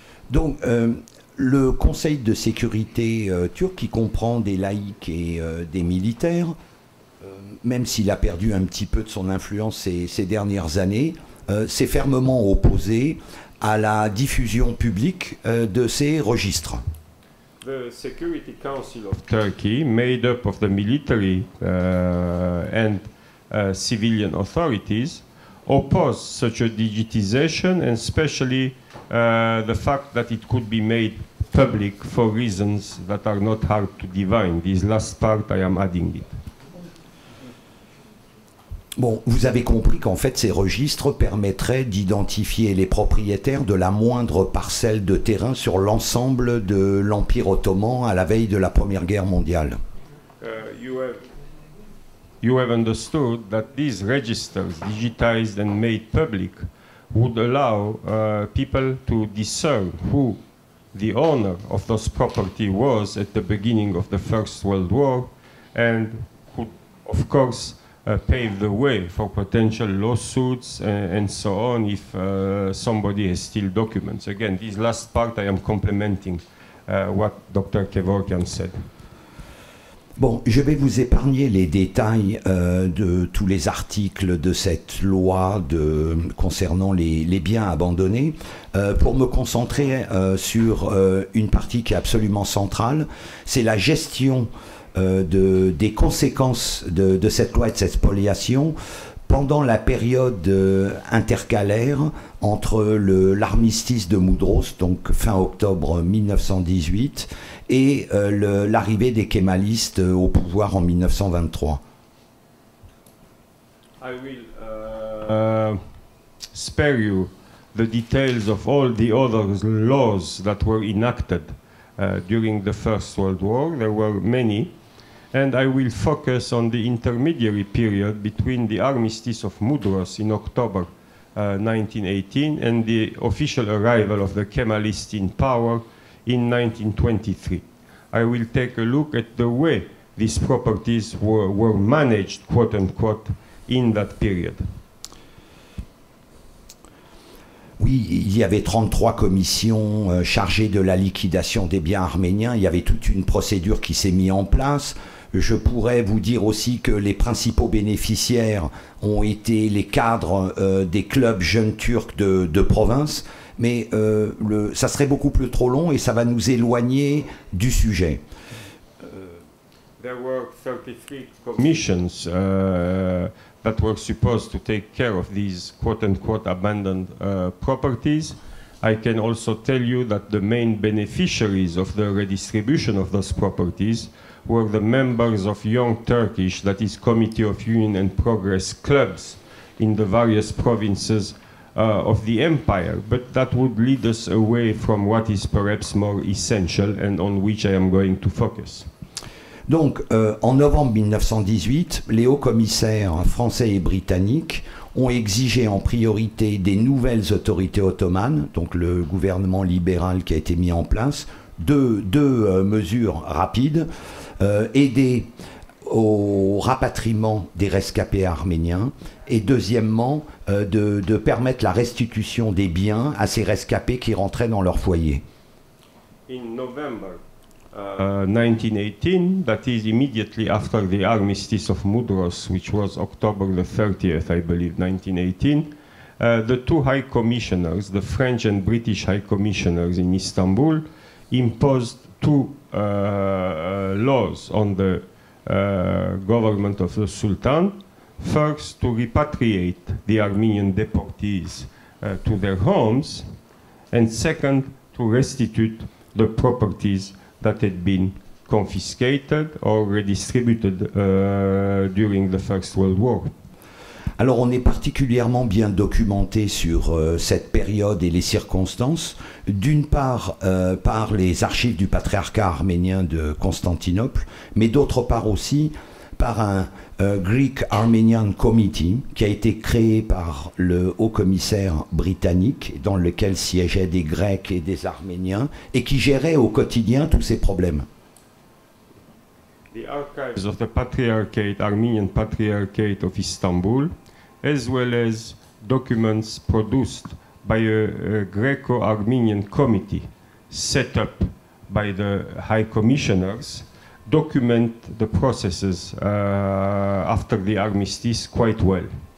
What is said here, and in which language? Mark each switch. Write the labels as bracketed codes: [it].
[fr] Donc, le Conseil de sécurité turc, qui comprend des laïcs et des militaires, même s'il a perdu un petit peu de son influence ces dernières années, s'est fermement opposé à la diffusion publique de ces registres. [en] The Security Council of Turkey, made up of the military and civilian authorities, opposed such a digitization, and especially the fact that it could be made public for reasons that are not hard to divine. This last part, I am adding it. [fr] Bon, vous avez compris qu'en fait, ces registres permettraient d'identifier les propriétaires de la moindre parcelle de terrain sur l'ensemble de l'Empire ottoman à la veille de la Première Guerre mondiale. [en] You have understood that these registers, digitized and made public, would allow people to discern who the owner of those property was at the beginning of the First World War, and who, of course, pave the way for potential lawsuits and so on if somebody has steal documents. Again, this last part I am complementing what Dr. Kevorkian said. [fr] Bon, je vais vous épargner les détails de tous les articles de cette loi concernant les biens abandonnés pour me concentrer sur une partie qui est absolument centrale. C'est la gestion des conséquences de cette loi et de cette spoliation pendant la période intercalaire entre l'armistice de Moudros, donc fin octobre 1918, et l'arrivée des Kémalistes au pouvoir en 1923. [en] I will spare you the details of all the other laws that were enacted during the First World War. There were many. And I will focus on the intermediary period between the armistice of Mudros in October 1918 and the official arrival of the Kemalists in power in 1923. I will take a look at the way these properties were managed, quote unquote, in that period. [fr] Oui, il y avait 33 commissions chargées de la liquidation des biens arméniens. Il y avait toute une procédure qui s'est mise en place. Je pourrais vous dire aussi que les principaux bénéficiaires ont été les cadres des clubs jeunes turcs de province. Mais ça serait beaucoup plus trop long et ça va nous éloigner du sujet. [en] There were 33 commissions that were supposed to take care of these quote-unquote abandoned properties. I can also tell you that the main beneficiaries of the redistribution of those properties were the members of Young Turkish, that is Committee of Union and Progress clubs in the various provinces of the empire. But that would lead us away from what is perhaps more essential and on which I am going to focus. [fr] Donc, en novembre 1918, les hauts commissaires français et britanniques ont exigé en priorité des nouvelles autorités ottomanes, donc le gouvernement libéral qui a été mis en place, deux mesures rapides, aider au rapatriement des rescapés arméniens et deuxièmement, de permettre la restitution des biens à ces rescapés qui rentraient dans leur foyer. [en] In November 1918, that is immediately after the armistice of Mudros, which was October the 30th, I believe, 1918, the two high commissioners, the French and British high commissioners in Istanbul, imposed two laws on the government of the Sultan. First, to repatriate the Armenian deportees to their homes, and second, to restitute the properties that had been confiscated or redistributed during the First World War. [fr] Alors, on est particulièrement bien documenté sur cette période et les circonstances, d'une part par les archives du patriarcat arménien de Constantinople, mais d'autre part aussi par un Greek Armenian Committee qui a été créé par le haut commissaire britannique dans lequel siégeaient des Grecs et des Arméniens et qui gérait au quotidien tous ces problèmes. [en] The archives of the Patriarchate, Armenian Patriarchate of Istanbul, as well as documents produced by a Greco-Armenian Committee set up by the High Commissioners, document the processes after the armistice quite well.